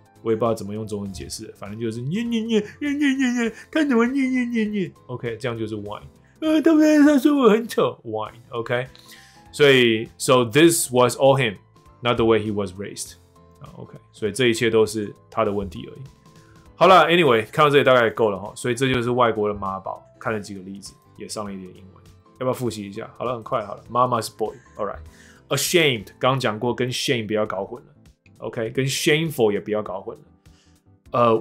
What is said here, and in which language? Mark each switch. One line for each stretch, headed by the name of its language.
Chinese: 我也不知道怎么用中文解释，反正就是念，他怎么念 ？OK， 这样就是 why。他不然他说我很丑 ，why？OK，、okay? 所以
English: so this was all him， not the way he was raised。
Chinese: OK， 所以这一切都是他的问题而已。好了 ，Anyway， 看到这里大概够了哈。所以这就是外国的妈宝，看了几个例子，也上了一点英文，要不要复习一下？好了，很快好了。Mama's boy，
English: all right。
Chinese: Ashamed， 刚刚讲过，跟 shame 不要搞混了。 OK， 跟 shameful 也不要搞混了。